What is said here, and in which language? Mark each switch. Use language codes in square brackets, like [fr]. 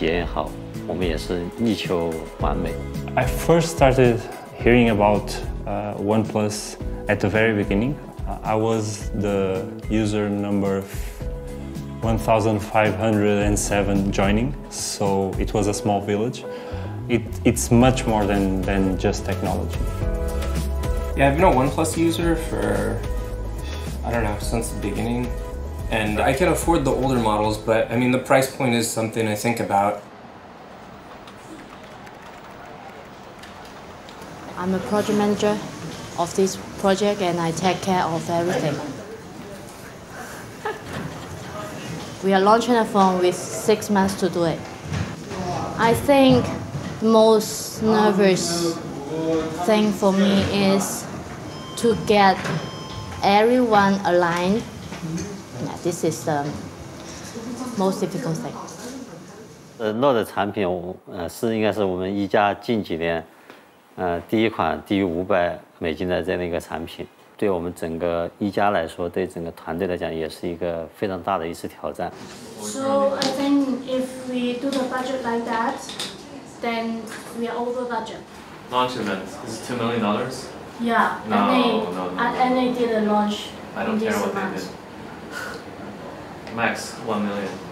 [zh] 再一次的挑战这个行业规则的这么一个不将就的一个过程，我们无论是在产品的设计也好，还是它的用户体验也好，我们也是力求完美。I [en] first started hearing about OnePlus at the very beginning. I was the user number 1,507 joining, so it was a small village. It's much more than just technology. Yeah, I've been a OnePlus user for, I don't know, since the beginning. And I can afford the older models, but I mean, the price point is something I think about. I'm a project manager of this project and I take care of everything. We are launching a phone with 6 months to do it. I think the most nervous thing for me is to get everyone aligned. Yeah, this is the most difficult thing. [zh] Note的产品是应该是我们一家近几年第一款低于500美金的这样的一个产品。对我们整个一家来说，对整个团队来讲，也是一个非常大的一次挑战。 [en] So I think if we do the budget like that, then we are over budget. Launch event is $2 million. Yeah. No. And they, no. And they did a launch. I don't care what they did. Max $1 million.